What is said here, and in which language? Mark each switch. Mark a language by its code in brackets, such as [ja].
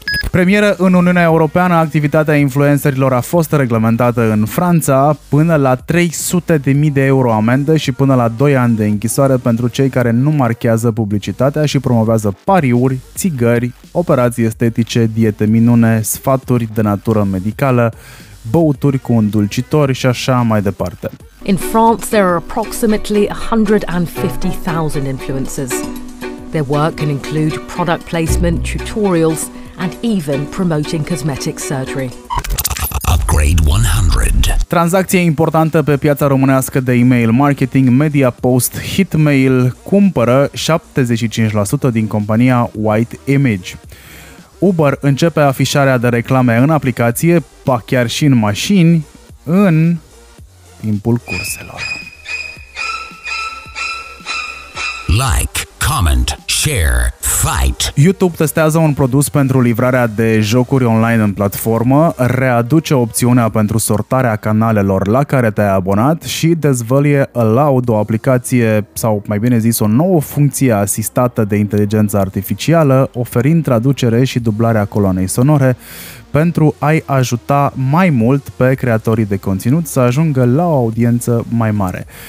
[ro] Premieră în Uniunea Europeană, activitatea influencerilor a fost reglementată în Franța, până la 300.000 de euro amendă și până la 2 ani de închisoare pentru cei care nu marchează publicitatea și promovează pariuri, țigări, operații estetice, diete minune, sfaturi de natură medicală, băuturi cu îndulcitori și așa mai departe. [en] In France, there are approximately 150.000 influencers. Their work can include product placement, tutorials and even promoting cosmetic surgery. Upgrade 100. [ro] Tranzacție importantă pe piața românească de email marketing, MediaPost, Hitmail cumpără 75% din compania White Image. Uber începe afișarea de reclame în aplicație, pa chiar și în mașini, în timpul curselor. [en] Like, comment, share, fight. [ro] YouTube testează un produs pentru livrarea de jocuri online în platformă, readuce opțiunea pentru sortarea canalelor la care te-ai abonat și dezvăluie Aloud, o aplicație sau mai bine zis o nouă funcție asistată de inteligență artificială, oferind traducere și dublarea coloanei sonore pentru a-i ajuta mai mult pe creatorii de conținut să ajungă la o audiență mai mare.